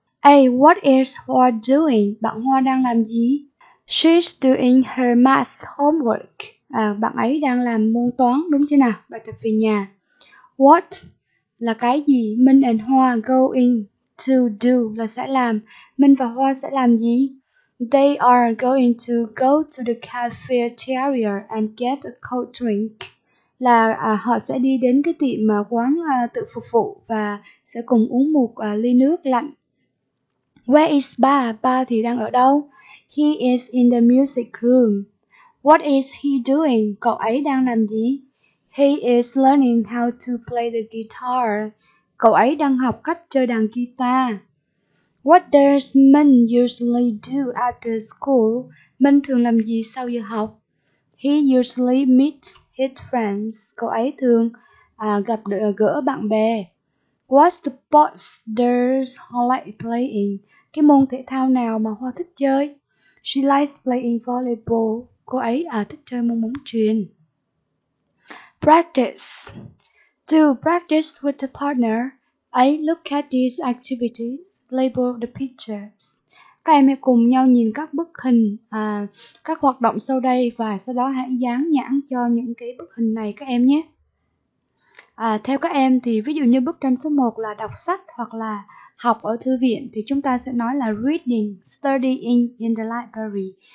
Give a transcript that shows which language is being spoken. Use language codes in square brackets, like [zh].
[en] A. What is Hoa doing? [vi] Bạn Hoa đang làm gì? [en] She's doing her math homework. [vi] Bạn ấy đang làm môn toán, đúng chưa nào? Bài tập về nhà. What là cái gì? [en] Mình and Hoa going to do [vi] là sẽ làm. Mình và Hoa sẽ làm gì? [en] They are going to go to the cafeteria and get a cold drink. [vi] Là họ sẽ đi đến cái tiệm quán tự phục vụ và sẽ cùng uống một ly nước lạnh. [en] Where is Ba? [vi] Ba thì đang ở đâu? [en] He is in the music room. What is he doing? [vi] Cậu ấy đang làm gì? [en] He is learning how to play the guitar. [vi] Cậu ấy đang học cách chơi đàn guitar. [en] What does Min usually do after school? [vi] Min thường làm gì sau giờ học? [en] He usually meets his friends. [vi] Cậu ấy thường gỡ bạn bè. [en] What sports does Hoa like playing? [vi] Cái môn thể thao nào mà Hoa thích chơi? [en] She likes playing volleyball. [vi] Cô ấy thích chơi môn bóng chuyền. [en] Practice. To practice with a partner. I look at these activities, label the pictures. [vi] Các em hãy cùng nhau nhìn các bức hình, các hoạt động sau đây và sau đó hãy dán nhãn cho những cái bức hình này các em nhé. Theo các em thì ví dụ như bức tranh số 1 là đọc sách hoặc là học ở thư viện thì chúng ta sẽ nói là [en] reading, studying in the library.